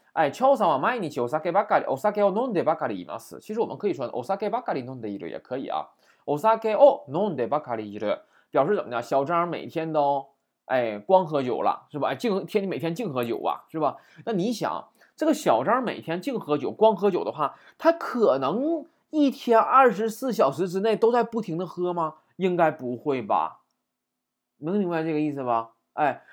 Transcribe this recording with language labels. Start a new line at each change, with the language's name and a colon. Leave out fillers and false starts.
Japanese: 哎，乔さんは毎日お酒ばかり、お酒を飲んでばかりいます。
Chinese: 其实我们可以说
Japanese: お酒ばかり飲んでいる
Chinese: 也可以啊。
Japanese: お酒を飲んでばかりいる
Chinese: 表示怎么的？小张每天都哎光喝酒了，是吧？哎，每天净喝酒啊，是吧？那你想，这个小张每天净喝酒、光喝酒的话，他可能一天24小时之内都在不停的喝吗？应该不会吧？能明白这个意思吧？哎。